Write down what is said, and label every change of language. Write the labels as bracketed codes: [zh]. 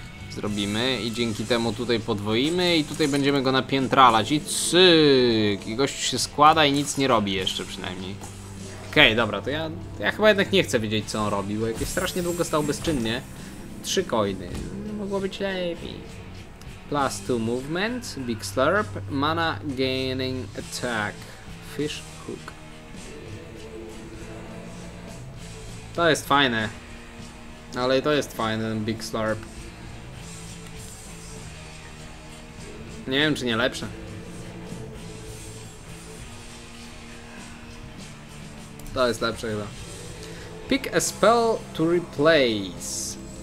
[pl] Zrobimy i dzięki temu tutaj podwoimy i tutaj będziemy go napiętralać i cyk, i gość się składa i nic nie robi jeszcze przynajmniej. Okej, dobra, to ja chyba jednak nie chcę wiedzieć, co on robi, bo jakieś strasznie długo stał bezczynnie. 3 coiny. Mogło być lepiej. [en] Plus 2 movement, big slurp, mana gaining attack, fish hook. [pl] To jest fajne. Ale to jest fajne, big slurp. Nie wiem, czy nie lepsze. To jest lepsze chyba. [en] Pick a spell to replace.